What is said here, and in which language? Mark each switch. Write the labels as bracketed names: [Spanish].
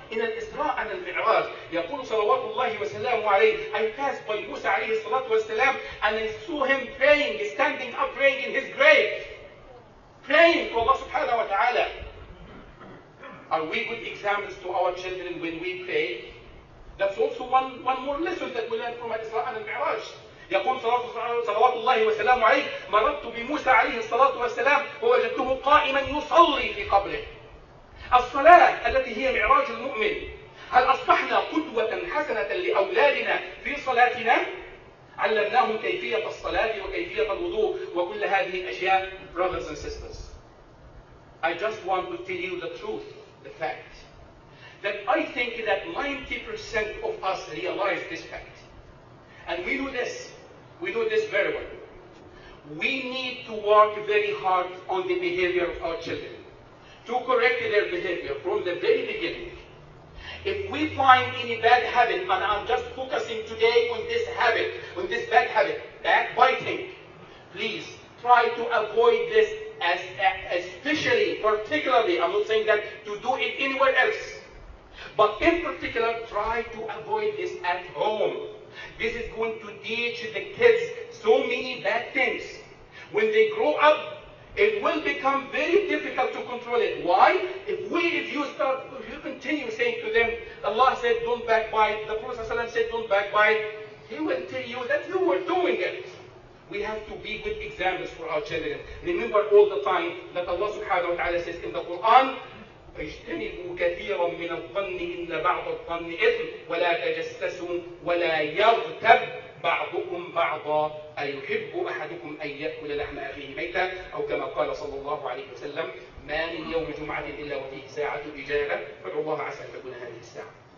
[English] In al-Isra and al-Mi'raj, [Arabic] يقول صلوات الله وسلامه عليه, [English] I passed by Musa alayhi salatu wasalam and I saw him praying, standing up praying in his grave. Praying to Allah subhanahu wa ta'ala. Are we good examples to our children when we pray? That's also one more lesson that we learn from al-Isra and al-Mi'raj. [Arabic] يقول صلوات الله وسلامه عليه, مررت بموسى عليه الصلاة والسلام ووجدته قائما يصلي في قبره. الصلاة التي هي معراج المؤمن, هل أصبحنا قدوة حسنة لأولادنا في صلاتنا؟ علمناهم كيفية الصلاة وكيفية الوضوء وكل هذه الأشياء. [English] Brothers and sisters, I just want to tell you the truth, the fact, that I think that 90% of us realize this fact. And we do this. We do this very well. We need to work very hard on the behavior of our children, to correct their behavior from the very beginning. If we find any bad habit, and I'm just focusing today on this habit, on this bad habit, backbiting, please try to avoid this, as especially, particularly, I'm not saying that to do it anywhere else, but in particular, try to avoid this at home. This is going to teach the kids so many bad things. When they grow up, it will become very difficult to control it. Why? If you continue saying to them, Allah said, don't backbite, the Prophet said, don't backbite, he will tell you that you were doing it. We have to be good examples for our children. Remember all the time that Allah subhanahu wa ta'ala says in the Quran, [Arabic] اجتنبوا كثيرا من الظن إن بعض الظن إثم ولا تجسسوا ولا يغتب بعضكم بعضا أيحب أحدكم أن يأكل لحم أخيه ميتا أو كما قال صلى الله عليه وسلم ما من يوم جمعة إلا وفيه ساعة إجابة فادعوا الله عسى أن تكون هذه الساعة.